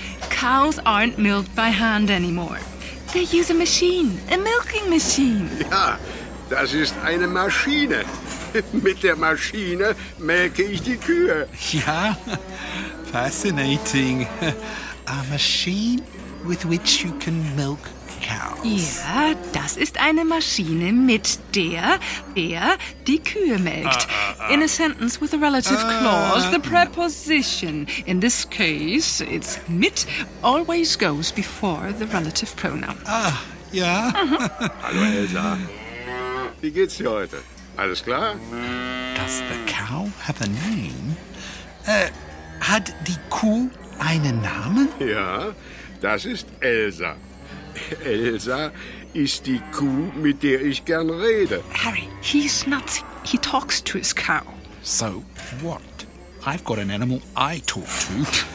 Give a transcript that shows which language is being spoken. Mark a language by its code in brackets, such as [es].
[en] Cows aren't milked by hand anymore. They use a machine. A milking machine. [de] Ja, das ist eine Maschine. Mit der Maschine melke ich die Kühe. [en] Ja, fascinating. A machine with which you can milk cows. [de] Ja, das ist eine Maschine, mit der er die Kühe melkt. [en] In a sentence with a relative clause, the preposition. In this case, it's mit always goes before the relative pronoun. [de] Ah, ja. Hallo Elsa. Wie geht's dir heute? Alles klar? [en] Does the cow have a name? [de] Hat die Kuh einen Namen? Ja, das ist Elsa. Elsa ist die Kuh, mit der ich gern rede. [en] Harry, he's nuts. He talks to his cow. So what? I've got an animal I talk to.